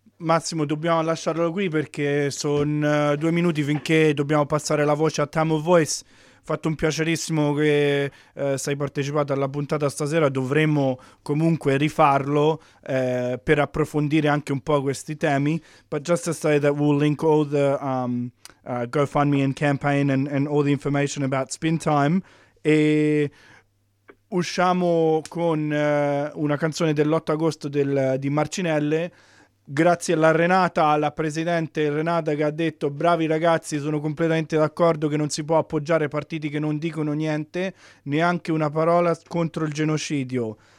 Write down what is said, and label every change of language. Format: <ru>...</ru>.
<it>Massimo, dobbiamo lasciarlo qui perché sono 2 minuti finché dobbiamo passare la voce a Time of Voice. Fatto un piacerissimo che sei partecipato alla puntata stasera. Dovremmo comunque rifarlo per approfondire anche un po' questi temi.</it> <en>But just to say that we'll link all the GoFundMe and campaign and all the information about Spin Time.</en> <it>E usciamo con una canzone dell'8 agosto di Marcinelle. Grazie alla Renata, alla presidente Renata, che ha detto: bravi ragazzi, sono completamente d'accordo che non si può appoggiare partiti che non dicono niente, neanche una parola contro il genocidio.</it>